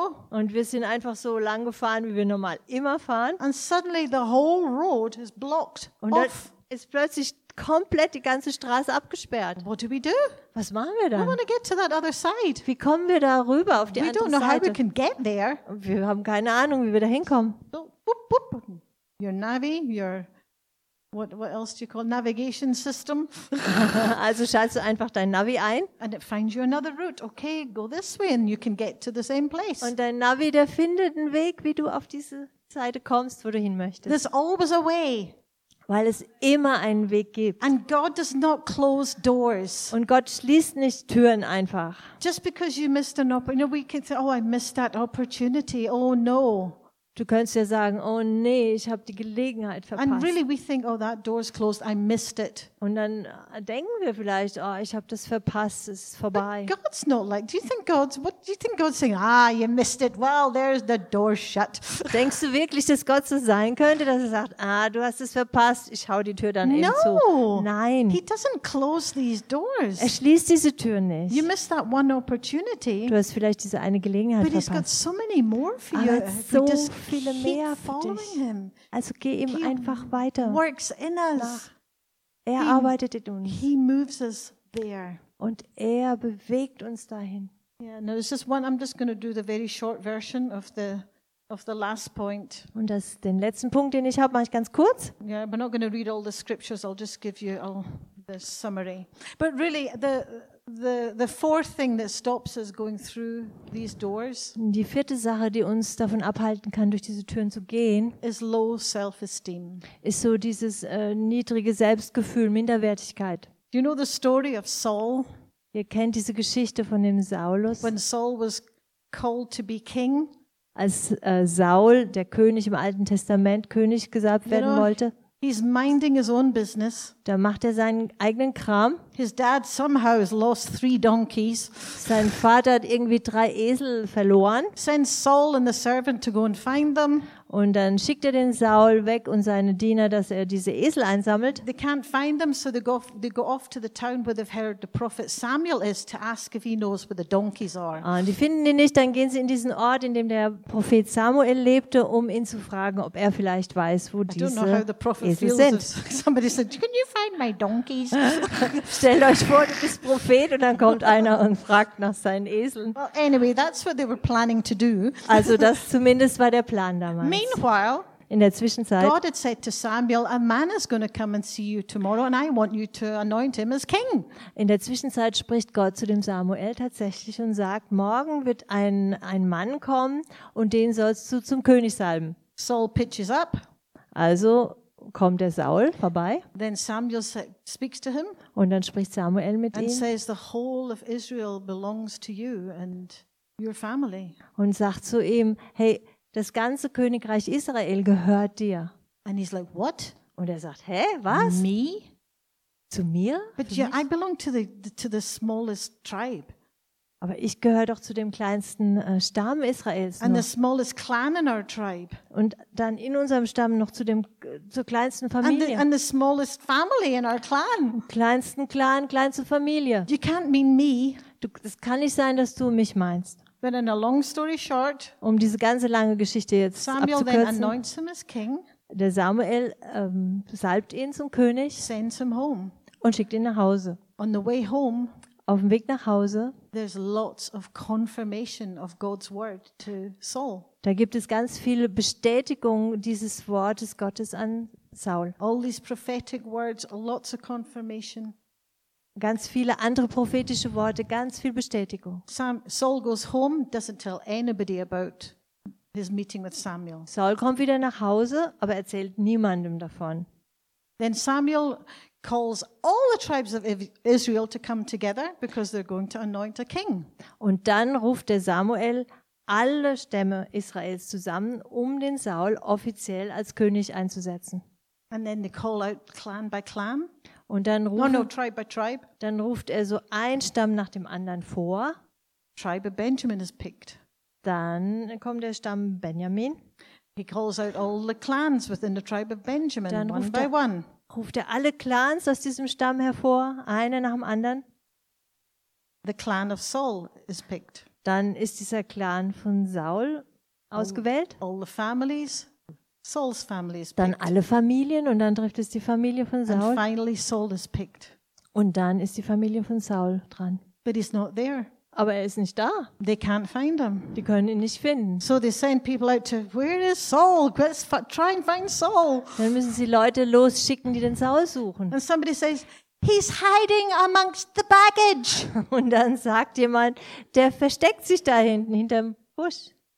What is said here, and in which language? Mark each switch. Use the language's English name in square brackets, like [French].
[German] Und wir sind einfach so lang gefahren, wie wir normal immer fahren. [English] And suddenly the whole road is blocked [German] und [English] off. [German] Ist plötzlich komplett die ganze Straße abgesperrt. [English] What do we do? [German] Was machen wir dann? [English] We want to get to that other side. [German] Wie kommen wir da rüber auf die [English] we [German] andere [English] don't know [German] Seite? [English] How we can get there. [German] Wir haben keine Ahnung, wie wir da hinkommen. [English] So, boop, boop. Your Navi, your What else do you call navigation system? [German] Also schaltest du einfach dein Navi ein. [English] And it finds you another route. Okay, go this way and you can get to the same place. [German] Und dein Navi, der findet einen Weg, wie du auf diese Seite kommst, wo du hin möchtest. [English] There's always a way. [German] Weil es immer einen Weg gibt. [English] And God does not close doors. [German] Und Gott schließt nicht Türen einfach. [English] Just because you missed an opportunity, you know, we can say, oh, I missed that opportunity. Oh no. [German] Du könntest ja sagen, oh nee, ich habe die Gelegenheit verpasst. [English] And really we think, oh, that door's closed, I missed it. [German] Und dann denken wir vielleicht, oh, ich habe das verpasst, es ist vorbei. [English] But God's not like, do you think God's saying, ah, you missed it, well, there's the door shut. [German] Denkst du wirklich, dass Gott so sein könnte, dass er sagt, ah, du hast es verpasst, ich hau die Tür dann [English] no. [German] eben zu? Nein. [English] He doesn't close these doors. [German] Er schließt diese Tür nicht. [English] You missed that one opportunity. [German] Du hast vielleicht diese eine Gelegenheit [English] but [German] verpasst. [English] But he's got so many more for you. [German] Viele mehr für dich. Also geh ihm einfach weiter. [English] Works in us. [German] Er arbeitet in uns. [English] He moves us there. [German] Und er bewegt uns dahin. [English] Yeah, no, this is one. I'm just going to do the very short version of the last point. [German] Und das den letzten Punkt, den ich habe, mache ich ganz kurz. [English] Yeah, we're not going to read all the scriptures. I'll just give you all the summary. But really, the fourth thing that stops us going through these doors. [German] Die vierte Sache, die uns davon abhalten kann, durch diese Türen zu gehen, [English] is low self-esteem. [German] Ist so dieses niedrige Selbstgefühl, Minderwertigkeit. [English] Do you know the story of Saul? [German] Ihr kennt diese Geschichte von dem Saulus. [English] When Saul was called to be king. [German] Als Saul, der König im Alten Testament, König gesalbt werden wollte. [English] He's minding his own business. [German] Da macht er seinen eigenen Kram. [English] His dad somehow has lost 3 donkeys. [German] Sein Vater hat irgendwie 3 Esel verloren. [English] Sends Saul and the servant to go and find them. [German] Und dann schickt er den Saul weg und seine Diener, dass er diese Esel einsammelt. [English] They can't find them, so they go off to the town where they've heard the prophet Samuel is to ask if he knows where the donkeys are. [German] Und die finden ihn nicht, dann gehen sie in diesen Ort, in dem der Prophet Samuel lebte, um ihn zu fragen, ob er vielleicht weiß, wo diese Esel sind. [English] I don't know how the prophet feels. Somebody said, can you find my donkeys? [German] Stellt euch vor, du bist Prophet und dann kommt einer und fragt nach seinen Eseln. [English] Well, anyway, that's what they were planning to do. [German] Also das zumindest war der Plan damals. [English] Meanwhile, [German] in der Zwischenzeit, [English] God had said to Samuel, a man is going to come and see you tomorrow and I want you to anoint him as king. [German] In der Zwischenzeit spricht Gott zu dem Samuel tatsächlich und sagt, morgen wird ein Mann kommen und den sollst du zum König salben. [English] Saul pitches up. [German] Also kommt der Saul vorbei. [English] Then Samuel speaks to him. [German] Und dann spricht Samuel mit [English] and [German] ihm. [English] And says the whole of Israel belongs to you and your family. [German] Und sagt zu ihm, hey, das ganze Königreich Israel gehört dir. [English] And he's like, what? [German] Und er sagt, hä, was? [English] Me? [German] Zu mir? [English] But yeah, I belong to the smallest tribe. [German] Aber ich gehöre doch zu dem kleinsten Stamm Israels. [English] And the smallest clan in our tribe. [German] Und dann in unserem Stamm noch zu dem zur kleinsten Familie. [English] And the smallest family in our clan. [German] Kleinsten Clan, kleinste Familie. [English] You can't mean me. [German] Das kann nicht sein, dass du mich meinst. [English] But in a long story short, [German] um diese ganze lange Geschichte jetzt [English] Samuel [German] abzukürzen, [English] then anoints him as king, [German] der Samuel salbt ihn zum König, [English] sends him home. [German] Und schickt ihn nach Hause. [English] On the way home, [German] auf dem Weg nach Hause, [English] there's lots of confirmation of God's word to Saul. [German] Da gibt es ganz viele Bestätigungen dieses Wortes Gottes an Saul. [English] All these prophetic words, lots of confirmation. [German] Ganz viele andere prophetische Worte, ganz viel Bestätigung. [English] Saul goes home, doesn't tell anybody about his meeting with Samuel. [German] Saul kommt wieder nach Hause, aber erzählt niemandem davon. [English] Then Samuel calls all the tribes of Israel to come together because they're going to anoint a king. [German] Und dann ruft der Samuel alle Stämme Israels zusammen, um den Saul offiziell als König einzusetzen. [English] And then they call out clan by clan. [German] Und dann ruft, [English] tribe by tribe. [German] Dann ruft er so ein Stamm nach dem anderen vor. [English] Tribe of Benjamin is picked. [German] Dann kommt der Stamm Benjamin. [English] He calls out all the clans within the tribe of Benjamin, [German] dann [English] one by one. [German] Ruft er alle Clans aus diesem Stamm hervor, einer nach dem anderen. [English] The clan of Saul is picked. [German] Dann ist dieser Clan von Saul ausgewählt. [English] All the families. Saul's family is picked. [German] Dann alle Familien und dann trifft es die Familie von Saul. [English] And finally Saul is picked. [German] Und dann ist die Familie von Saul dran. [English] But he's not there. [German] Aber er ist nicht da. [English] They can't find him. [German] Die können ihn nicht finden. [English] So they send people out to, where is Saul? Let's try and find Saul. [German] Dann müssen sie Leute losschicken, die den Saul suchen. [English] And somebody says, he's hiding amongst the baggage. [German] Und dann sagt jemand, der versteckt sich da hinten, hinterm Busch.